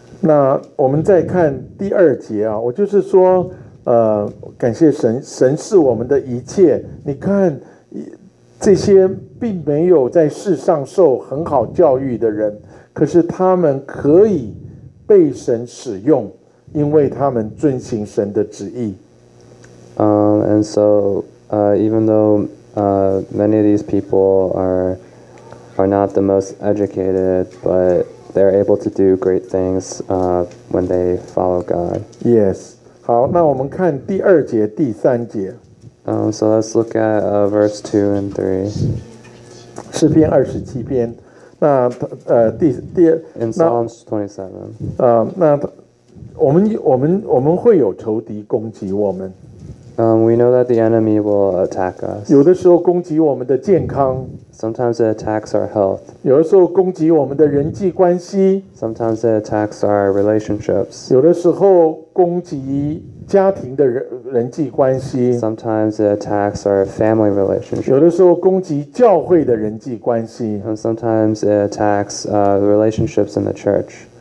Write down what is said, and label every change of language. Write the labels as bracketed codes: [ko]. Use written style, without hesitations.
[zh] 那我们再看第二节啊，我就是说，感谢神，神是我们的一切。你看，这些并没有在世上受很好教育的人，可是他们可以。被神使用，因为他们遵行神的旨意。 [en] And so, even though many of these people are not the most educated, but they're able to do great things when they follow God. Yes. [zh] 好，那我们看第二节、第三节。 [en] So let's look at verse 2 and 3. [zh] 诗篇二十七篇。那第 [en] 二 in Psalms 27 [zh] 那我们会有仇敌攻击我们。 [en] We know that the enemy will attack us. [zh] 有的时候攻击我们的健康。 [en] Sometimes it attacks our health. [zh] 有的时候攻击我们的人际关系。 [en] Sometimes it attacks our relationships. [zh] 有的时候攻击家庭的人际关系。 [en] Sometimes it attacks our family relationships. [zh] 有的时候攻击教会的人际关系。 [en] And sometimes it attacks relationships in the church.